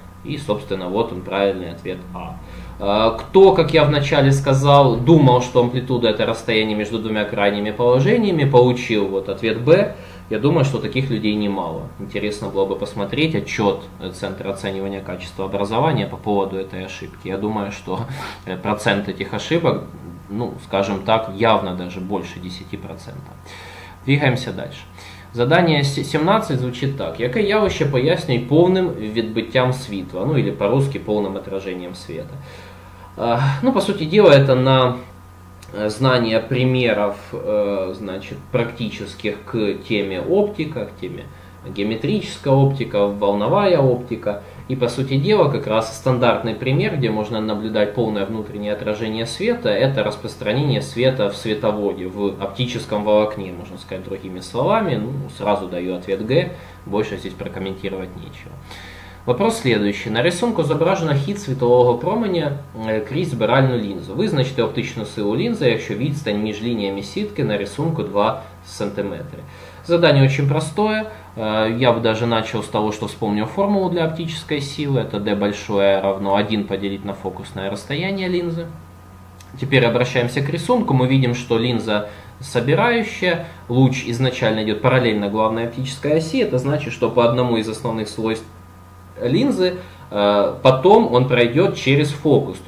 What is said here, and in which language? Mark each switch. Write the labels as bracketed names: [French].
[Russian] И, собственно, вот он, правильный ответ А. Кто, как я вначале сказал, думал, что амплитуда – это расстояние между двумя крайними положениями, получил вот ответ Б, я думаю, что таких людей немало. Интересно было бы посмотреть отчет Центра оценивания качества образования по поводу этой ошибки. Я думаю, что процент этих ошибок, ну, скажем так, явно даже больше 10%. Двигаемся дальше. Задание 17 звучит так. [Ukrainian] Яке явище пояснює повним відбиттям світла, [Russian] ну или по-русски повним отражением света. Ну, по сути дела, это на знание примеров, значит, практических к теме оптика, к теме геометрическая оптика, волновая оптика. И, по сути дела, как раз стандартный пример, где можно наблюдать полное внутреннее отражение света, это распространение света в световоде, в оптическом волокне, можно сказать другими словами. Ну, сразу даю ответ Г, больше здесь прокомментировать нечего. Вопрос следующий. [Ukrainian] На рисунку изображено хід світового променя крізь спіральну лінзу. Визначте оптичну силу лінзи, якщо відстань між лініями сітки на рисунку 2 см. [Russian] Задание очень простое. Я бы даже начал с того, что вспомнил формулу для оптической силы. Это D большое равно 1 поделить на фокусное расстояние линзы. Теперь обращаемся к рисунку. Мы видим, что линза собирающая. Луч изначально идет параллельно главной оптической оси. Это значит, что по одному из основных свойств линзы потом он пройдет через фокус.